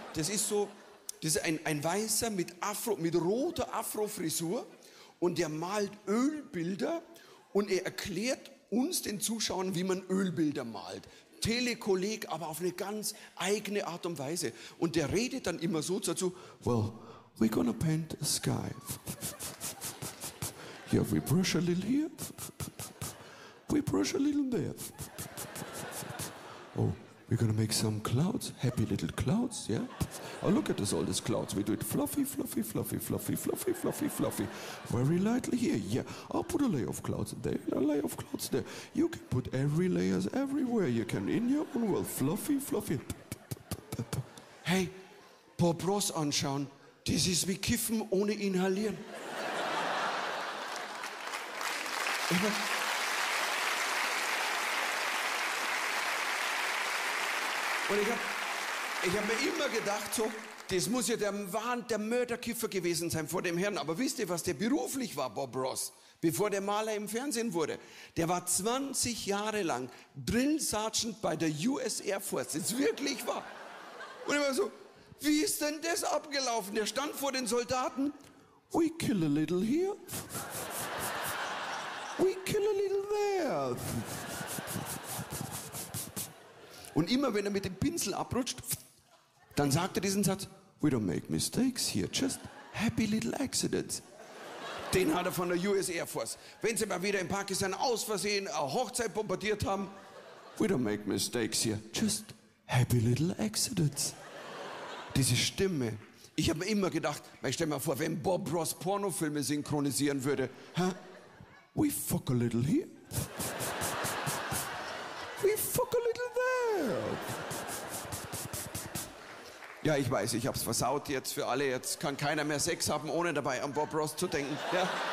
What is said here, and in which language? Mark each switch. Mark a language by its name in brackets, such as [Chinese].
[German] Das ist so, das ist ein Weißer mit Afro, mit roter Afro-Frisur. Und der malt Ölbilder. Und er erklärt uns, den Zuschauern, wie man Ölbilder malt. Telekolleg, aber auf eine ganz eigene Art und Weise. Und der redet dann immer so dazu: [English] Well, we're gonna paint a sky. Yeah, we brush a little here. We brush a little there. Oh, we're gonna make some clouds. Happy little clouds, yeah? Oh, look at this, all these clouds. We do it fluffy, fluffy, fluffy, fluffy, fluffy, fluffy, fluffy. Very lightly here, yeah. I'll put a layer of clouds there and a layer of clouds there. You can put every layers everywhere you can in your own world. Fluffy, fluffy. [German] Hey, Bob Ross anschauen. Das ist wie Kiffen ohne Inhalieren. Und ich hab mir immer gedacht, so, das muss ja der Mörderkiffer gewesen sein vor dem Herrn. Aber wisst ihr, was der beruflich war, Bob Ross, bevor der Maler im Fernsehen wurde? Der war 20 Jahre lang Drill Sergeant bei der US Air Force. Das ist wirklich wahr. Und ich war so, wie ist denn das abgelaufen? Der stand vor den Soldaten. [English] We kill a little here. We kill a little there. [German] Und immer wenn er mit dem Pinsel abrutscht, dann sagt er diesen Satz. [English] We don't make mistakes here, just happy little accidents. [German] Den hat er von der US Air Force. Wenn sie mal wieder in Pakistan aus Versehen eine Hochzeit bombardiert haben. [English] We don't make mistakes here, just happy little accidents. [German] Diese Stimme. Ich habe mir immer gedacht, ich stell mir vor, wenn Bob Ross Pornofilme synchronisieren würde. Huh? [English] We fuck a little here. We fuck a little there. [German] Ja, ich weiß, ich habe es versaut jetzt für alle. Jetzt kann keiner mehr Sex haben, ohne dabei an Bob Ross zu denken. Ja?